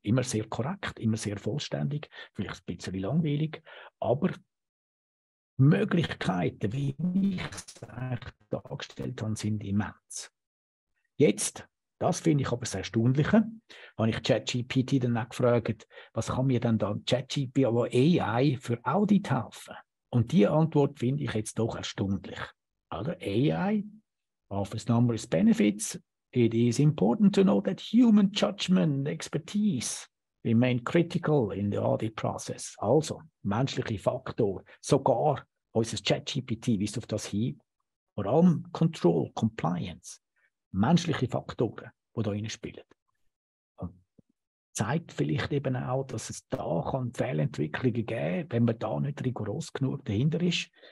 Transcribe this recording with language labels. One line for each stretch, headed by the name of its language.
German: Immer sehr korrekt, immer sehr vollständig, vielleicht ein bisschen langweilig, aber Möglichkeiten, wie ich es eigentlich dargestellt habe, sind immens. Jetzt, das finde ich aber das Erstaunliche, habe ich ChatGPT dann auch gefragt, was kann mir denn dann ChatGPT oder AI für Audit helfen? Und die Antwort finde ich jetzt doch erstaunlich.
English: Oder AI, offers numerous benefits, it is important to know that human judgment and expertise remain critical in the audit process.
German: Also, menschliche Faktor, sogar unser ChatGPT weist auf das hin. Vor allem Control, Compliance, menschliche Faktoren, die da hineinspielen. Zeigt vielleicht eben auch, dass es da Fehlentwicklungen geben kann, wenn man da nicht rigoros genug dahinter ist.